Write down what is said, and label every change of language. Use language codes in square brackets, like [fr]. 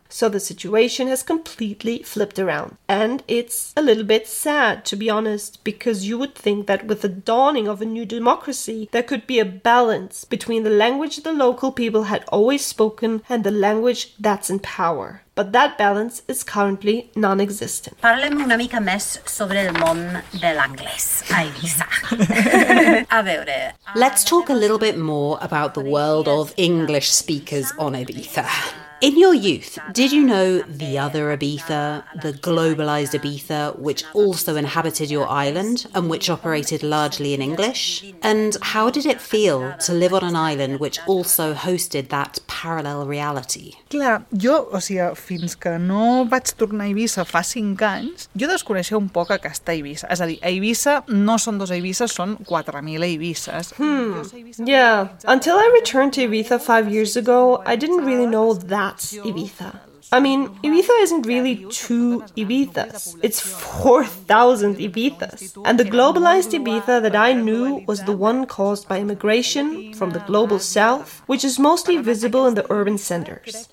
[en] So the situation has completely flipped around. And it's a little bit sad, to be honest, because you would think that with the dawning of a new democracy, there could be a balance between the language the local people had always spoken and the language that's in power. But that balance is currently non-existent. [ca] Parlem una mica més sobre el món de l'anglès a Ibiza. A veure. [en] Let's talk a little bit more about the world of English speakers on Ibiza. In your youth, did you know the other Ibiza, the globalized Ibiza, which also inhabited your island and which operated largely in English? And how did it feel to live on an island which also hosted that parallel reality? [ca] Clar, jo, o sigui, fins que no vaig tornar a Ibiza fa 5 anys, jo desconeixia un poc aquesta Ibiza. És a dir, a Ibiza no són dos Ibiza, són 4.000 Ibizas. [en] Yeah. Until I returned to Ibiza 5 years ago, I didn't really know that. That's Ibiza. I mean, Ibiza isn't really two Ibizas. It's 4,000 Ibizas. And the globalized Ibiza that I knew was the one caused by immigration from the global south, which is mostly visible in the urban centers.